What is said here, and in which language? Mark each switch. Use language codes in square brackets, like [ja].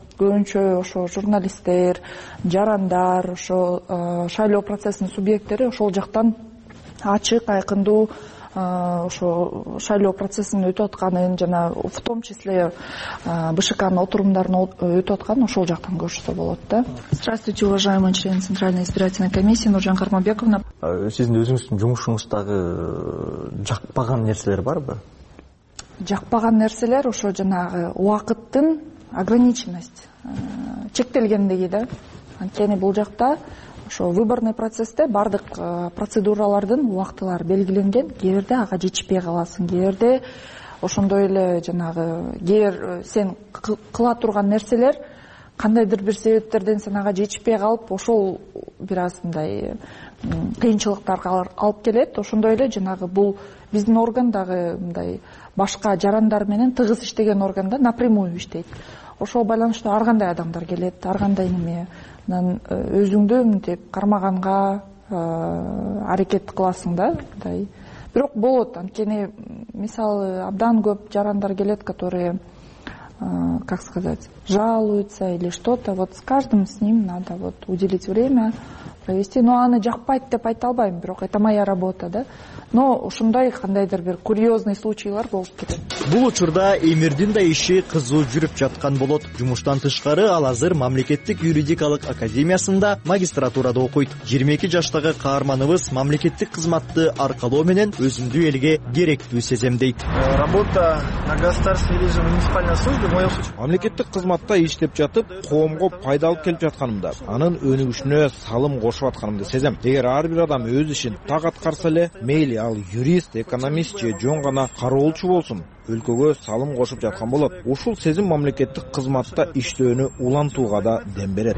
[ky] Көбүнчө ошо журналисттер, жарандар, ошо шайлоо процессинин субъекттери ошол жактан ачык, айкындуу ошо шайлоо процессин өтүп атканын жана [ru] в том числе [ky] БШКнын отурумдарын өтүп атканын ошол жактан көрүшсө болот да. [ru] Здравствуйте, уважаемый член Центральной избирательной комиссии Нуржан Кармабековна. [ky] Сиздин өзүңүздүн жумушуңуздагы жакпаган нерселер барбы? Жакпаган нерселер ошо жанагы убакыттын ограниченность, чектелгендиги да. Анткени бул жакта ошо выборный процессте баардык процедуралардын убактылары белгиленген. Кээ бирде ага жетишпей каласың, кээ бирде ошондой эле жанагы кээр сен кыла турган нерселер кандайдыр бир себептерден сен ага жетишпей калып, ошол бир аз мындай кыйынчылыктарга алып келет. Ошондой эле жанагы бул биздин орган дагы мындай башка жарандар менен тыгыз иштеген орган да, напрямую иштейт. Ошол байланыштуу ар кандай адамдар келет, ар кандай неме, анан өзүңдү мынтип кармаганга аракет кыласың да мындай. Бирок болот, анткени мисалы абдан көп жарандар келет, [ru] которые как сказать, жалуются или что-то. Вот с каждым с ним надо вот уделить время провести. [ky] Но аны жакпайт деп айта албайм, бирок [ru] это моя работа, [ky] да. Но ушундай кандайдыр бир курьезный случайлар болуп кетет. Бул учурда Эмирдин да иши кызуу жүрүп жаткан болот. Жумуштан тышкары ал азыр мамлекеттик юридикалык академиясында магистратурада окуйт. 22 жаштагы каарманыбыз мамлекеттик кызматты аркалоо менен өзүмдү элге керектүү сезем дейт. [ru] Работа на государственной или же муниципальной службе в моем случае. [ky] Мамлекеттик кызматта иштеп жатып, коомго пайдалуу келип жатканымда, анын өнүгүшүнө салым кошуп атканымды сезем. Эгер ар бир адам өз ишин так аткарса эле, мейли ал юрист, экономист же жөн гана кароолчу болсун, өлкөгө салым кошуп жаткан болот. Ушул сезим мамлекеттик кызматта иштөөнү улантууга да дем берет.